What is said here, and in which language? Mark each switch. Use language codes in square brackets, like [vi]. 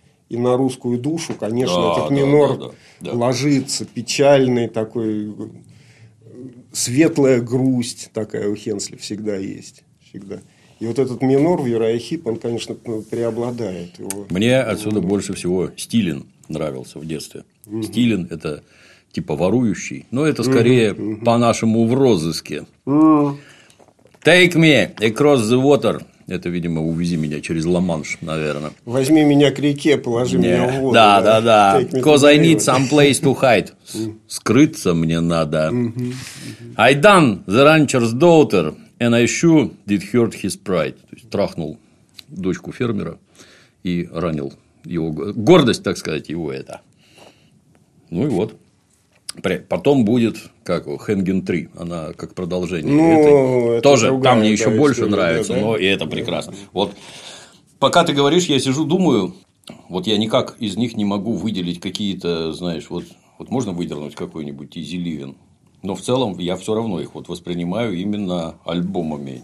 [ru] и на русскую душу, конечно, да, этот минор ложится, печальный такой, светлая грусть такая у Хенсли всегда есть. Всегда. И вот этот минор в Юрайхип, он, конечно, преобладает. Его. Мне отсюда больше всего Стилен нравился в детстве. Угу. Стилен – это типа ворующий, но это скорее по-нашему в розыске. [en] Take me across the water. [ru] Это, видимо, увези меня через Ла-Манш, наверное. Возьми меня к реке, положи меня в воду. Да, да, да. [en] Because I need some place to hide. [ru] Скрыться мне надо. [en] I done the rancher's daughter, and I sure did hurt his pride. [ru] То есть, трахнул дочку фермера и ранил его гордость, так сказать, его это. Ну и вот. Потом будет как Hanging Tree, она как продолжение ну, этой. Тоже другая, там мне да, еще больше нравится, да? Но и это прекрасно. Да. Вот пока ты говоришь, я сижу, думаю, вот я никак из них не могу выделить какие-то, знаешь, вот можно выдернуть какой-нибудь Easy Living, но в целом я все равно их вот воспринимаю именно альбомами.